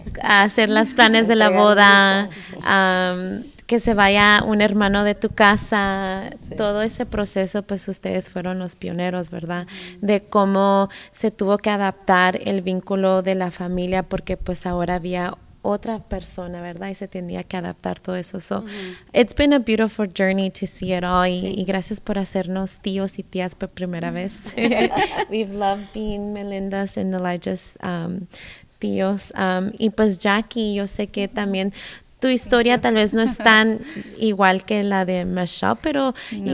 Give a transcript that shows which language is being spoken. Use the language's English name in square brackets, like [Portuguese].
[Spanish] Hacer los planes de la boda, que se vaya un hermano de tu casa, sí. Todo ese proceso, pues ustedes fueron los pioneros, ¿verdad? De cómo se tuvo que adaptar el vínculo de la familia, porque pues ahora había otra persona, ¿verdad? Y se tenía que adaptar todo eso. [English] So, it's been a beautiful journey to see it all. [Spanish] Sí. Y gracias por hacernos tíos y tías por primera vez. [English] We've loved being Melinda's and Elijah's [Spanish] tíos. Y pues Jackie, yo sé que también tu historia tal vez no es tan igual que la de Michelle, pero, no.